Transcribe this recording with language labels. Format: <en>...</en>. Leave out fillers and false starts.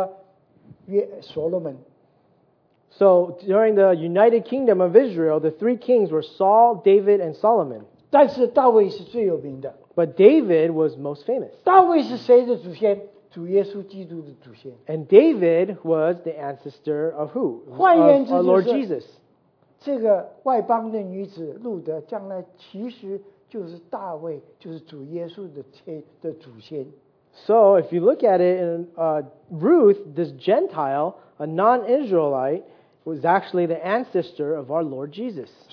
<zh>以色列统一的王国就是扫罗、大卫和约所罗门。</zh> <en>So during the United Kingdom of Israel, the three kings were Saul, David, and Solomon.</en> <zh>但是大卫是最有名的。</zh> <en>But David was most famous.</en> <zh>大卫是谁的祖先? 主耶稣基督的祖先。</zh> <en>And David was the ancestor of who?</en> <zh>换言之就是,</zh> <en>of our Lord Jesus.</en> <zh>这个外邦的女子路德将来其实就是大卫，就是主耶稣的祖先。</zh> <en>So if you look at it, in Ruth, this Gentile, a non-Israelite, was actually the ancestor of our Lord Jesus.</en>